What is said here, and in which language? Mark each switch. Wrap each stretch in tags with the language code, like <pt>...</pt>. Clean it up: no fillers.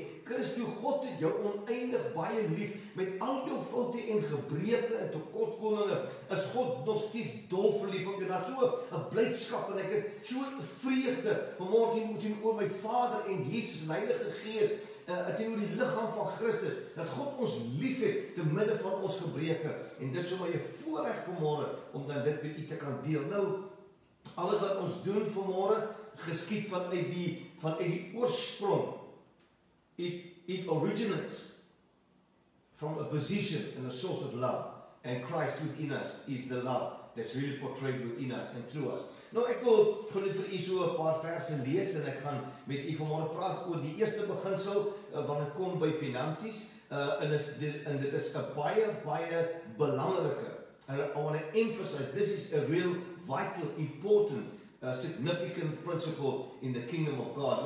<af>Christus, God het jou oneindig baie lief, met al jou foute en gebreke en tekortkominge, is God nog steeds dol verlief op jou, dat so 'n blydskap, en ek het so 'n vreugde, vanmôre moet hier oor my Vader en Jesus en Heilige Gees, teenoor die liggaam van Christus, dat God ons lief het te midde van ons gebreke. En dit is om my voorreg vanmôre om dan dit met u te kan deel. Nou, alles wat ons doen vanmôre geskied vanuit die oorsprong.</af> <en>It originates from a position and a source of love, and Christ within us is the love that's really portrayed within us and through us.</en> <af>Nou, ek wil gou net vir u so 'n paar verse lees, en ek gaan met u vanmôre praat oor die eerste beginsel wanneer dit kom by finansies. En dit is 'n baie belangrike.</af> <en>I want to emphasize, this is a real vital, important, significant principle in the kingdom of God.</en>